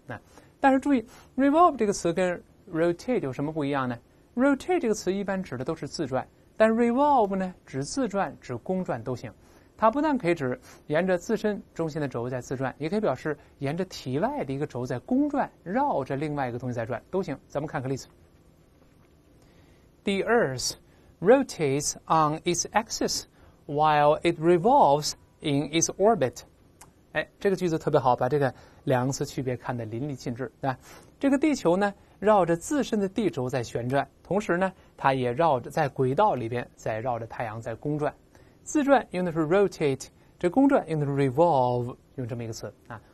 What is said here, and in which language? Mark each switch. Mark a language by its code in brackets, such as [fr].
[zh] 那但是注意 ，revolve 这个词跟 rotate 有什么不一样呢 ？rotate 这个词一般指的都是自转，但 revolve 呢，指自转、指公转都行。它不但可以指沿着自身中心的轴在自转，也可以表示沿着体外的一个轴在公转，绕着另外一个东西在转都行。咱们看个例子 [en] ：The Earth rotates on its axis。 While it revolves in its orbit， [zh] 哎，这个句子特别好，把这个两次区别看得淋漓尽致，对吧？这个地球呢，绕着自身的地轴在旋转，同时呢，它也绕着在轨道里边在绕着太阳在公转。自转用的是 rotate， 这公转用的是 revolve， 用这么一个词啊。